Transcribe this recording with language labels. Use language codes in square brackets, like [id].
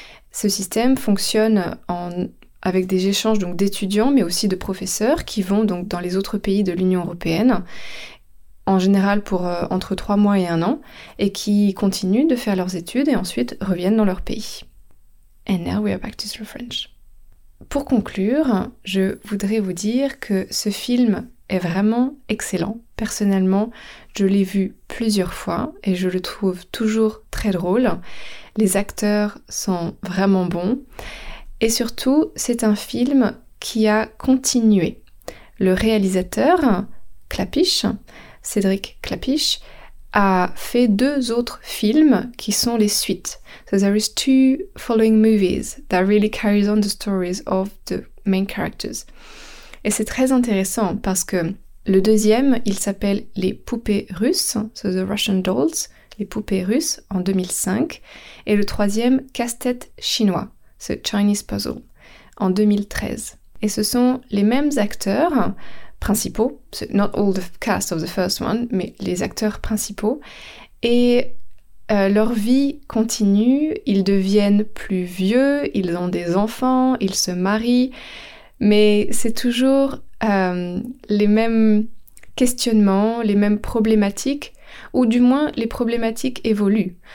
[fr] Ce système fonctionne avec des échanges donc d'étudiants mais aussi de professeurs qui vont donc dans les autres pays de l'Union européenne en général pour entre 3 mois et 1 an, et qui continuent de faire leurs études et ensuite reviennent dans leur pays. [en] And now we are back to the French. [fr] Pour conclure, je voudrais vous dire que ce film est vraiment excellent. Personnellement, je l'ai vu plusieurs fois et je le trouve toujours très drôle. Les acteurs sont vraiment bons. Et surtout, c'est un film qui a continué. Le réalisateur, Cédric Clapiche, a fait 2 autres films qui sont les suites. [en] So there is 2 following movies that really carries on the stories of the main characters. [fr] Et c'est très intéressant parce que le deuxième, il s'appelle Les Poupées Russes, [en] so the Russian Dolls, [fr] Les Poupées Russes, en 2005. Et le troisième, Casse-tête Chinois, [en] the Chinese Puzzle, [fr] en 2013. et ce sont les mêmes acteurs principaux, [en] not all the cast of the first one, [fr] mais les acteurs principaux, et leur vie continue, ils deviennent plus vieux, ils ont des enfants, ils se marient, mais c'est toujours les mêmes questionnements, les mêmes problématiques, ou du moins les problématiques évoluent.